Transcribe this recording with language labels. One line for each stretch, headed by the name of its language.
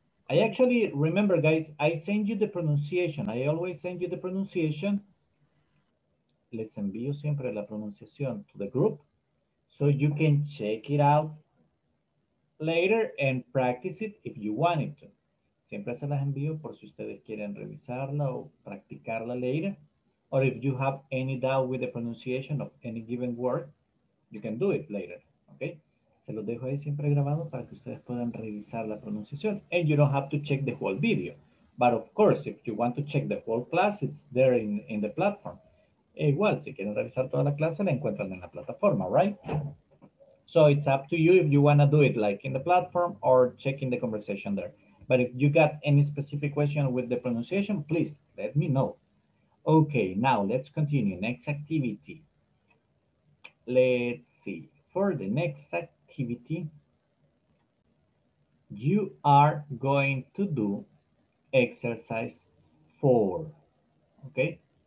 English: I actually remember, guys, I send you the pronunciation. I always send you the pronunciation.
Spanish: Les envío siempre la pronunciación
English: to the group. So you can check it out later and practice it if you wanted to.
Spanish: Siempre se las envío por si ustedes quieren revisarla o practicarla later.
English: Or if you have any doubt with the pronunciation of any given word, you can do it later, okay?
Spanish: Se los dejo ahí siempre grabado para que ustedes puedan revisar la pronunciación.
English: And you don't have to check the whole video. But of course, if you want to check the whole class, it's there in the platform.
Spanish: E igual, si quieren revisar toda la clase, la encuentran en la plataforma, right?
English: So it's up to you if you want to do it like in the platform or checking the conversation there. But if you got any specific question with the pronunciation, please let me know. Okay, now let's continue. Next activity. Let's see. For the next activity, activity, you are going to do exercise 4, okay?